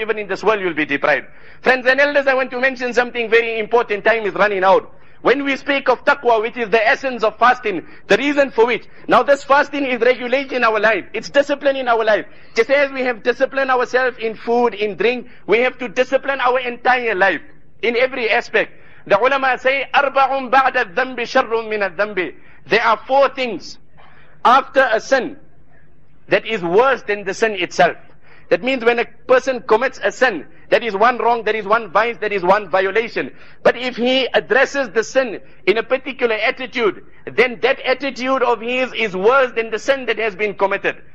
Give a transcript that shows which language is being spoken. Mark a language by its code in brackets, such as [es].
[en] Even in this world, you will be deprived. Friends and elders, I want to mention something very important. Time is running out. When we speak of taqwa, which is the essence of fasting, the reason for which, now this fasting is regulation in our life, it's discipline in our life. Just as we have disciplined ourselves in food, in drink, we have to discipline our entire life, in every aspect. The ulama say, [ar] أَرْبَعٌ بَعْدَ الذَّنْبِ شَرٌ مِنَ الذَّنْبِ. [en] There are four things after a sin that is worse than the sin itself. That means when a person commits a sin, that is one wrong, that is one vice, that is one violation. But if he addresses the sin in a particular attitude, then that attitude of his is worse than the sin that has been committed.